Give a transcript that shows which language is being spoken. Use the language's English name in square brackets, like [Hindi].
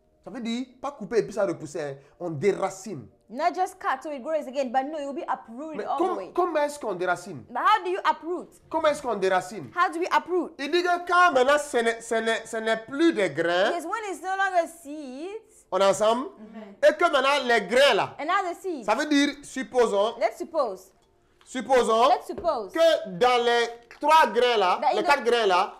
[French] Ça veut dire pas couper et puis ça repousser. On déracine. [English] Not just cut so it grows again, but no, it will be uprooted [French] Mais [English] all the way. [French] Comment est-ce qu'on déracine? [English] But how do you uproot? [French] Comment est-ce qu'on déracine? [English] How do we uproot? [French] Il dit que quand maintenant ce n'est plus des grains. [English] Because when it's no longer seeds. [French] On est ensemble. Mm-hmm. Et que maintenant les grains là. [English] And now the seeds. [French] Ça veut dire supposons. [English] Let's suppose. [French] Supposons. [English] Let's suppose. [French] Que dans les trois grains là, les quatre grains là.